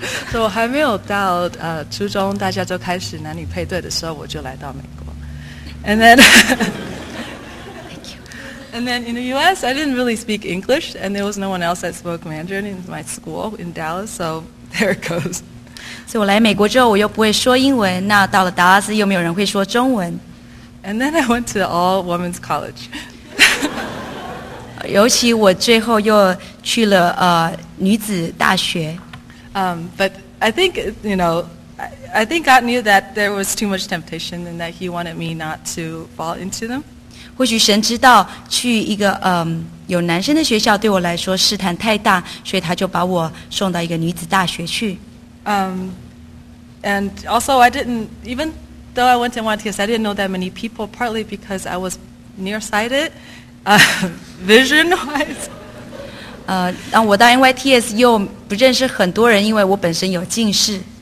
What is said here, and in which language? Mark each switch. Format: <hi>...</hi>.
<en>So</en> <zh>还没有到初中，大家就开始男女配对的时候，我就来到美国。</zh> <en>And then, thank you. And then in the U.S., I didn't really speak English, and there was no one else that spoke Mandarin in my school in Dallas. So there it goes. So</en> <zh>我来美国之后，我又不会说英文。那到了达拉斯，又没有人会说中文。</zh> <en>And then I went to all women's college.</en> <zh>尤其我最后又去了女子大学。</zh> <en>But I think you know. I think God knew that there was too much temptation and that he wanted me not to fall into them.</en> <zh>或许神知道去一个有男生的学校对我来说试探太大，所以他就把我送到一个女子大学去。</zh> <en>And also I didn't, even though I went to NYTS, I didn't know that many people, partly because I was nearsighted, vision-wise.</en> <zh>让我到 NYTS 又不认识很多人，因为我本身有近视。</zh>